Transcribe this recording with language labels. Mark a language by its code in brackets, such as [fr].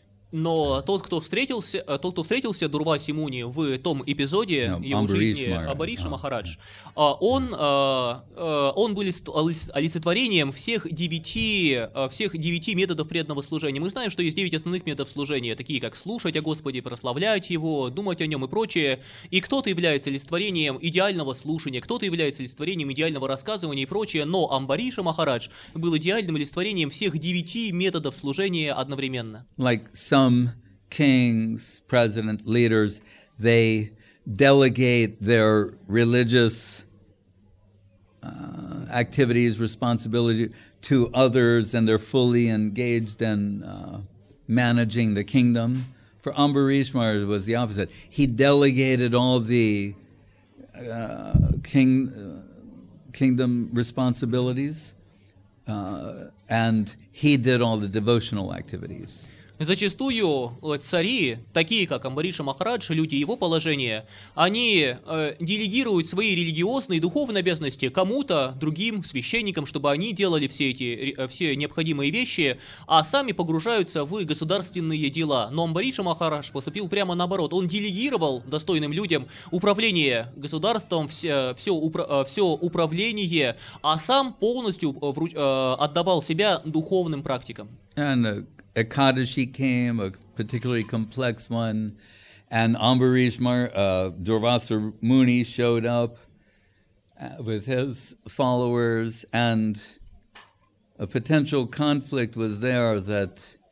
[ru] Но тот, кто встретился Дурвасе Муни в том эпизоде его жизни, Амбариша Махарадж, он был олицетворением всех девяти методов преданного служения. Мы знаем, что есть девять основных методов служения, такие как слушать о Господе, прославлять Его, думать о Нем и прочее. И кто-то является олицетворением идеального слушания, кто-то является олицетворением идеального рассказывания и прочее, но Амбариша Махарадж был идеальным олицетворением всех девяти методов служения одновременно. [en] Some kings, presidents, leaders, they delegate their religious activities, responsibility to others, and they're fully engaged in managing the kingdom. For Amburish Maharaj, it was the opposite. He delegated all the kingdom responsibilities, and he did all the devotional activities. [ru] Зачастую цари, такие как Амбариша Махарадж, люди его положения, они делегируют свои религиозные и духовные обязанности кому-то, другим священникам, чтобы они делали все необходимые вещи, а сами погружаются в государственные дела. Но Амбариша Махарадж поступил прямо наоборот. Он делегировал достойным людям управление государством, все управление, а сам полностью отдавал себя духовным практикам. [en] Ekadashi came, a particularly complex one, and Amburish Durvasa Muni showed up with his followers, and a potential conflict was there that